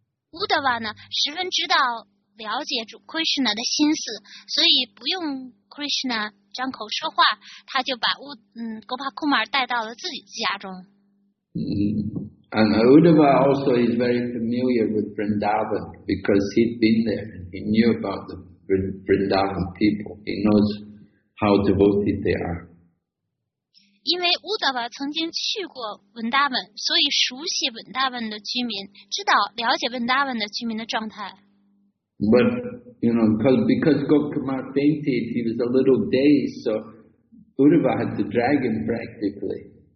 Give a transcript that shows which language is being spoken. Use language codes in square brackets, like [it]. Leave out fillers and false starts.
[zh] 乌达瓦呢，十分知道了解主 Krishna 的心思，所以不用 Krishna 张口说话，他就把Gopkumar带到了自己家中。 [en] And Uddhava also is very familiar with Vrindavan because he'd been there and he knew about the Vrindavan people. He knows how devoted they are. [zh] 因为乌达瓦曾经去过文达文, 所以熟悉文达文的居民, 知道了解文达文的居民的状态。 [en] But you know, because Gopkumar fainted, he was a little dazed, so Uddhava had to drag him practically.